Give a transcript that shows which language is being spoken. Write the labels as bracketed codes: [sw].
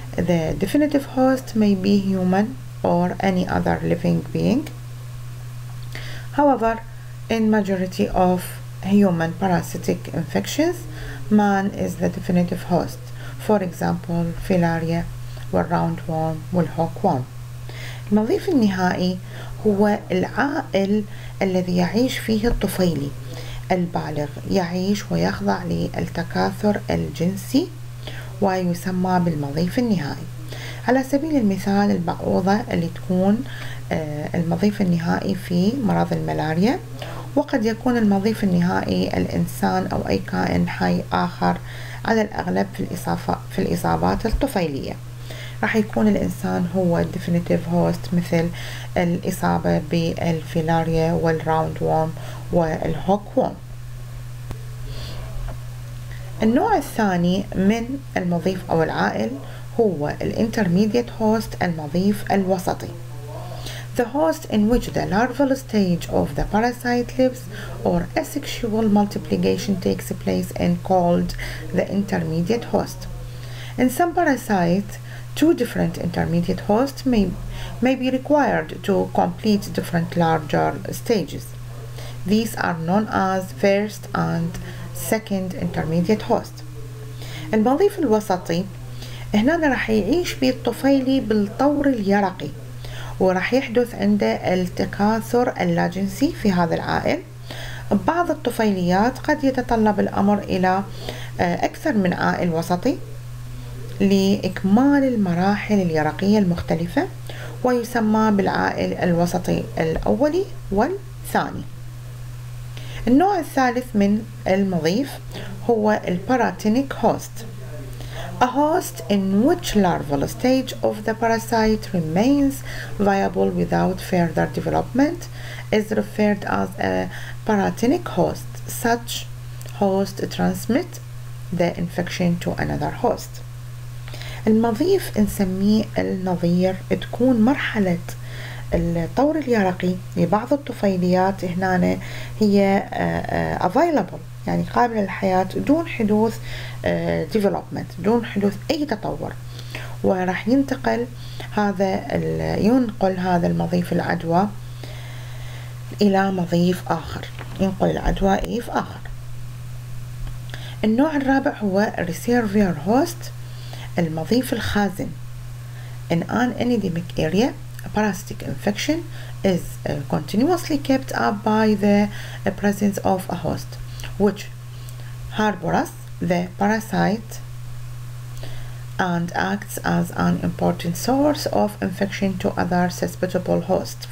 [en] The definitive host may be human or any other living being. However, in majority of human parasitic infections, man is the definitive host. For example, filaria, roundworm, hookworm. [ar] المضيف النهائي هو العائل الذي يعيش فيه الطفيلي البالغ، يعيش ويخضع للتكاثر الجنسي ويسمى بالمضيف النهائي. على سبيل المثال البعوضة اللي تكون المضيف النهائي في مرض الملاريا، وقد يكون المضيف النهائي الإنسان أو أي كائن حي آخر على الأغلب في الإصابات الطفيلية. راح يكون الإنسان هو definitive host مثل الإصابة بالفيلاريا والراوند ووم والهوك ووم. النوع الثاني من المضيف أو العائل هو الintermediate host، المضيف الوسطي. [en] The host in which the larval stage of the parasite lives or asexual multiplication takes place and called the intermediate host. In some parasites, two different intermediate hosts may be required to complete different larger stages. These are known as first and second intermediate host. [ar] المضيف الوسطي هنا راح يعيش به الطفيلي بالطور اليرقي، وراح يحدث عنده التكاثر اللاجنسي في هذا العائل. بعض الطفيليات قد يتطلب الأمر إلى أكثر من عائل وسطي لإكمال المراحل اليرقية المختلفة، ويسمى بالعائل الوسطي الأولي والثاني. النوع الثالث من المضيف هو الباراتينيك هوست. [en] A host in which larval stage of the parasite remains viable without further development is referred as a paratenic host. Such host transmit the infection to another host. [ar] المضيف نسميه النظير، تكون مرحلة الطور اليرقي لبعض الطفيليات هنا هي available، يعني قابل للحياة دون حدوث development، دون حدوث أي تطور. وراح ينتقل هذا ينقل هذا المضيف العدوى إلى مضيف آخر، ينقل العدوى إيف آخر. النوع الرابع هو reservoir host، المضيف الخازن. [en] In an endemic area, a parasitic infection is continuously kept up by the presence of a host which harbors the parasite and acts as an important source of infection to other susceptible hosts.